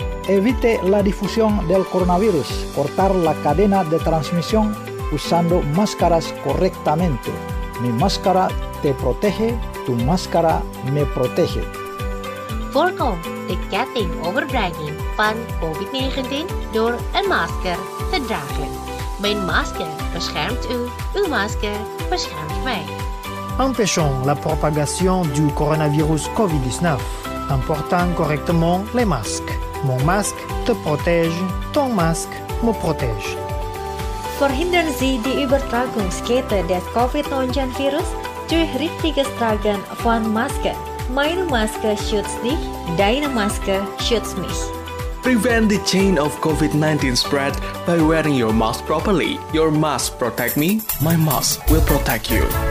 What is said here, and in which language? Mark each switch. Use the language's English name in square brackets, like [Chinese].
[Spanish] Evite la difusión del coronavirus. Cortar la cadena de transmisión usando máscaras correctamente. Mi máscara te protege, tu máscara me protege. [Dutch] Voorkom de ketting overbrenging van COVID-19 door een masker te dragen. Mijn masker beschermt u, uw masker beschermt mij. [French] Empêchons la propagation du coronavirus COVID-19. En portant correctement les masques. Mon masque te protège, ton masque me protège. [German] Verhindern Sie die Übertragungskette des COVID-19 Virus durch richtiges Tragen von Maske. Meine Maske schützt dich, deine Maske schützt mich. [English] Prevent the chain of COVID-19 spread by wearing your mask properly. Your mask protect me, my mask will protect you.